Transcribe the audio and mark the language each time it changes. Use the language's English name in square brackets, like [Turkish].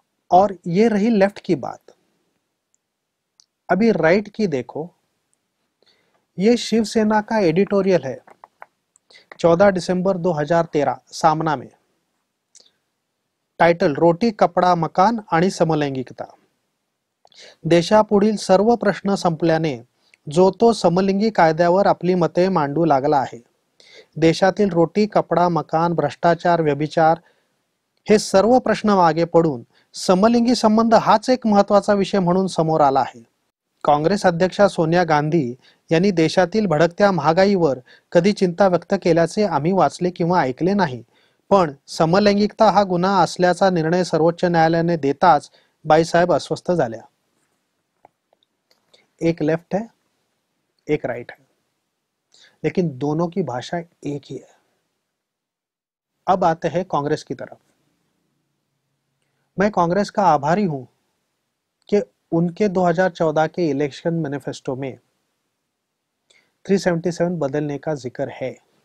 [Hindi] और ये रही लेफ्ट की बात, अभी राइट की देखो. ये शिवसेना का एडिटोरियल है 14 दिसंबर 2013 सामना में, टाइटल रोटी कपड़ा मकान आणि समलैंगिकता. [Marathi] देशापुढील सर्व प्रश्न संपल्याने जो तो समलिंगी कायद्यावर आपली मते मांडू लागला आहे. देशातील रोटी कपडा मकान भ्रष्टाचार व्यभिचार हे सर्व प्रश्न मागे पडून समलिंगी संबंध हाच एक महत्वाचा विषय म्हणून समोर आला आहे. काँग्रेस अध्यक्षा सोनिया गांधी यांनी देशातील भडकत्या महागाईवर कधी चिंता व्यक्त केल्याचे आम्ही वाचले किंवा ऐकले नाही, पण समलैंगिकता हा गुन्हा असल्याचा निर्णय सर्वोच्च न्यायालयाने देताच बाईसाहेब अस्वस्थ झाल्या. [Hindi] एक लेफ्ट है, एक राईट है, लेकिन दोनों की भाषा एक ही है. अब आते हैं काँग्रेस की तरफ. मैं कांग्रेस का आभारी हूं कि उनके 2014 के इलेक्शन मैनिफेस्टो में 377 बदलने का जिक्र है.